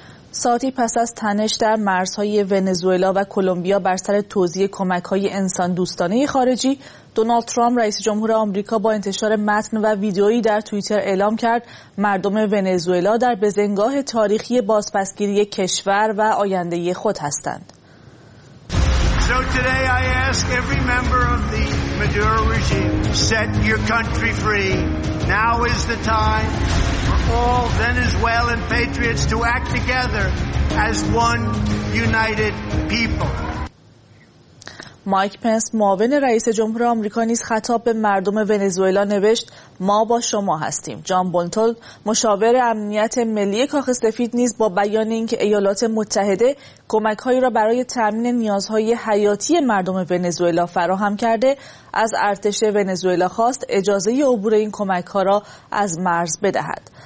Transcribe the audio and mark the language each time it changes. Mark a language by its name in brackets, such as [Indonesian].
[Persian] ساعتی پس از تنش در مرزهای ونزوئلا و کولومبیا بر سر توزیع کمک‌های انسان دوستانه خارجی، دونالد ترامپ رئیس جمهور آمریکا با انتشار متن و ویدئویی در توییتر اعلام کرد مردم ونزوئلا در بزنگاه تاریخی بازپسگیری کشور و آینده خود هستند. [English] So today I ask every member of the Maduro regime, set your country free. Now is the time for all Venezuelan patriots to act together as one united people. [Persian] مایک پنس معاون رئیس جمهور آمریکا نیز خطاب به مردم ونزوئلا نوشت ما با شما هستیم. جان بولتون مشاور امنیت ملی کاخ سفید نیز با بیان اینکه ایالات متحده کمک‌هایی را برای تامین نیازهای حیاتی مردم ونزوئلا فراهم کرده از ارتش ونزوئلا خواست اجازه عبور این کمک‌ها را از مرز بدهد.